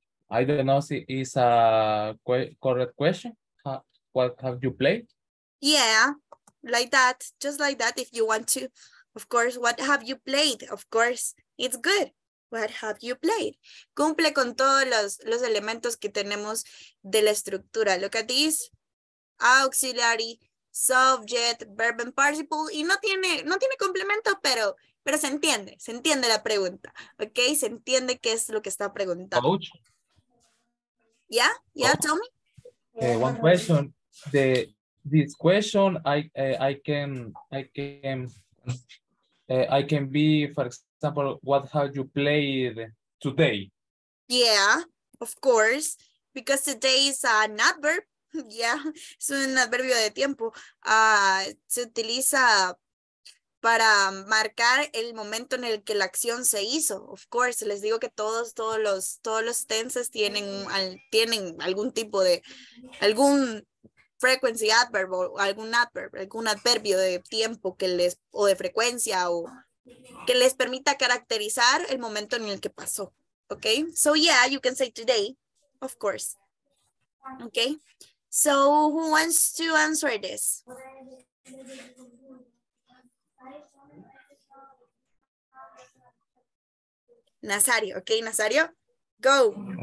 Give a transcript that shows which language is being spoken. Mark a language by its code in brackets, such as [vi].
[en] I don't know if it's a correct question. What have you played? Yeah. Like that, just like that, if you want to. Of course, what have you played? Of course, it's good. What have you played? [es] Cumple con todos los elementos que tenemos de la estructura. [en] Look at this. Auxiliary, subject, verb and participle. [es] Y no tiene complemento, pero se entiende la pregunta. Ok, se entiende qué es lo que está preguntando. [en] Coach. Yeah, yeah, tell me. One question. This question I can be, for example, what have you played today? Yeah, of course, because today is an adverb. [es] Yeah, es un adverbio de tiempo. Se utiliza para marcar el momento en el que la acción se hizo. Of course, les digo que todos los tenses tienen algún tipo de algún frequency adverb o algún adverbio de tiempo o de frecuencia o que les permita caracterizar el momento en el que pasó. [en] Okay, so yeah, you can say today, of course. Okay, so who wants to answer this? Nazario, okay, Nazario, go.